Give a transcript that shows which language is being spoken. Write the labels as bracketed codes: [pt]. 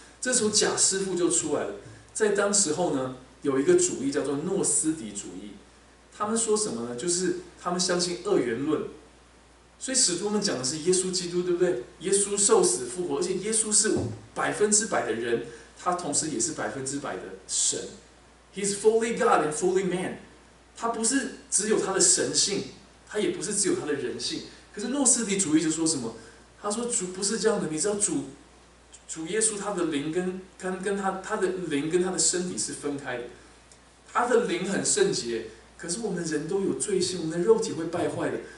[zh] 这时候假师傅就出来了。在当时候呢，有一个主义叫做诺斯底主义。他们说什么呢？就是他们相信二元论。所以使徒们讲的是耶稣基督，对不对？耶稣受死复活，而且耶稣是100%的人，他同时也是100%的神。 [en] He's fully God and fully man. [zh] 他不是只有他的神性，他也不是只有他的人性。可是诺斯底主义就说什么？他说主不是这样的。你知道主耶稣他的灵跟 他的灵跟他的身体是分开的。他的灵很圣洁，可是我们人都有罪性，我们的肉体会败坏的。